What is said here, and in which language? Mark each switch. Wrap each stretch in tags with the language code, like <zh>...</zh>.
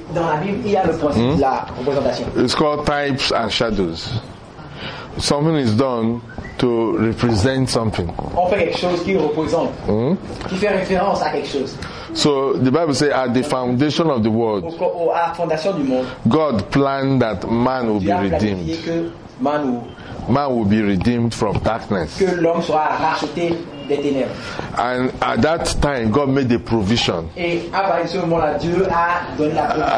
<fr>Dans la Bible, il y a le principe, la représentation.</fr> <en>It's called types and shadows. Something is done to represent something.</en> <fr>On fait quelque chose qui représente, qui fait référence à quelque chose.</fr> <en>So the Bible says, at the foundation of the world,</en> <fr>à la fondation du monde,</fr> <en>God planned that man will be redeemed. Man will be redeemed from darkness.</en> <fr>Que l'homme soit racheté des ténèbres.</fr> <en>And at that time, God made the provision.</en> <fr>Et après ce moment-là, Dieu a donné la provision.</fr>